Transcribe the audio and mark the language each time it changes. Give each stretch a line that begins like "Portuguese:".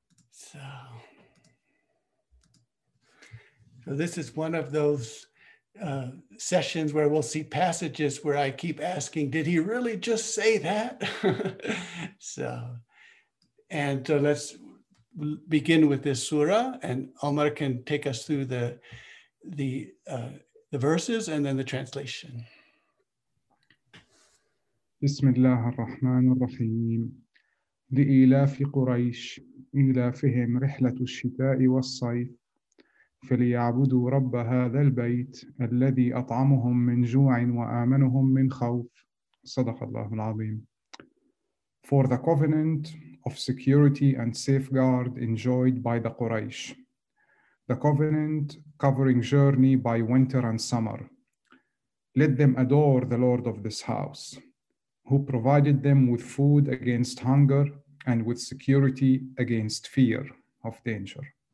English: So this is one of those sessions where we'll see passages where I keep asking, did he really just say that? So let's begin with this surah, and Omar can take us through the verses and then the translation.
Arabic: Bismillah ar-Rahman ar-Rahim. لإلاف قريش إلافهم رحلة الشتاء والصيف فليعبدوا رب هذا البيت الذي أطعمهم من جوع وآمنهم من خوف صدق الله العظيم.
English: For the covenant of security and safeguard enjoyed by the Quraysh, the covenant covering journey by winter and summer. Let them adore the Lord of this house, who provided them with food against hunger and with security against fear of danger.